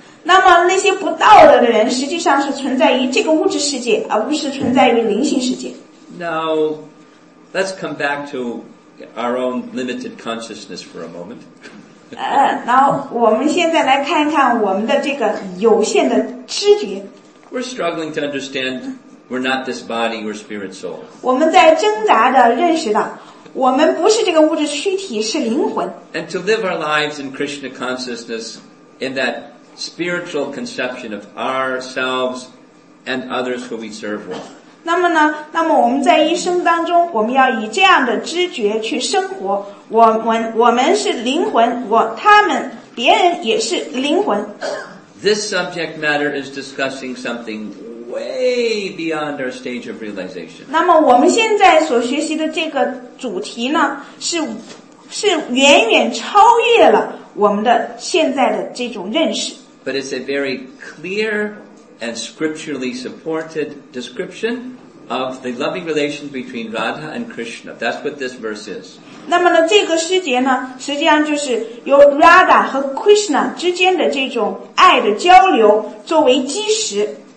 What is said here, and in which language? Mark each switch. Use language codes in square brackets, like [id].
[zh] 那么那些不道德的人实际上是存在于这个物质世界，而不是存在于灵性世界。 [en] Now, let's come back to our own limited consciousness for a moment. [zh] 然后我们现在来看一看我们的这个有限的知觉。 [en] We're struggling to understand we're not this body or spirit soul. [zh] 我们在挣扎的认识到我们不是这个物质躯体，是灵魂。 [en] And to live our lives in Krishna consciousness in that spiritual conception of ourselves and others who we serve with. [zh] 那么呢，那么我们在一生当中，我们要以这样的知觉去生活。我们是灵魂，他们别人也是灵魂。 [en] This subject matter is discussing something way beyond our stage of realization. [zh] 那么我们现在所学习的这个主题呢，是远远超越了我们的现在的这种认识。 [en] But it's a very clear and scripturally supported description of the loving relation between Radha and Krishna. That's what this verse is. [zh] 那么呢，这个诗节呢，实际上就是由 Radha 和 Krishna 之间的这种爱的交流作为基石。